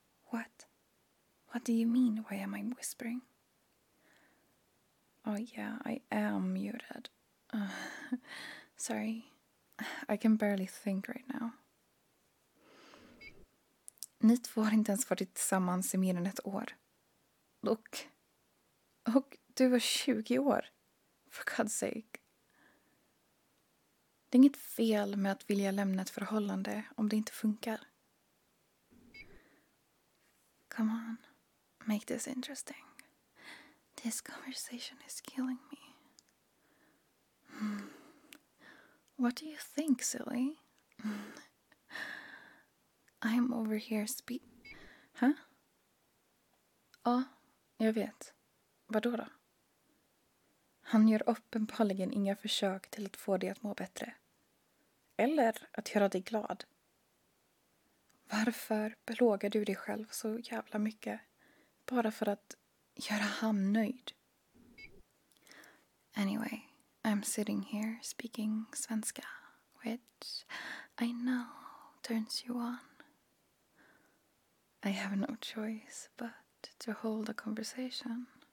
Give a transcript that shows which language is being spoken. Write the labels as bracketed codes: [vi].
[en] What? What do you mean? Why am I whispering? Oh yeah, I am muted. Sorry. I can barely think right now. [sv] Ni två har inte ens varit tillsammans i mer än ett år. Look. Och du var 20 år. For God's sake. Det är inget fel med att vilja lämna ett förhållande om det inte funkar. [en] Come on, make this interesting. This conversation is killing me. What do you think, silly? [sv] I'm over here [en] Huh? Ja, jag vet. Vadå då? [sv] Han gör uppenbarligen inga försök till att få dig att må bättre. Eller att göra dig glad. Varför plågar du dig själv så jävla mycket bara för att göra han nöjd? [en] Anyway, I'm sitting here speaking svenska, which I know turns you on. I have no choice but to hold a conversation.